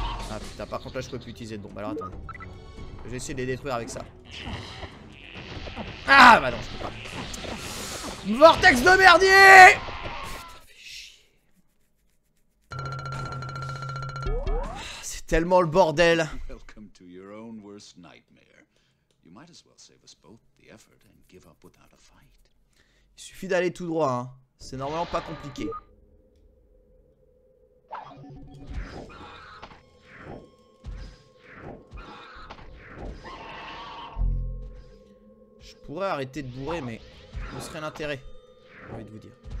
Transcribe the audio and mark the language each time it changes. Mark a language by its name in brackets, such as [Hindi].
[French] Ah putain, par contre là je peux plus utiliser de bombe, alors attends. Je vais essayer de les détruire avec ça. Ah bah non, je peux pas. Vortex de merdier. C'est tellement le bordel. [English] Welcome to your own worst nightmare. You might as well save us both the effort and give up without a fight. [French] Il suffit d'aller tout droit, hein. C'est normalement pas compliqué. Je pourrais arrêter de bourrer, mais ce serait l'intérêt, j'ai envie de vous dire.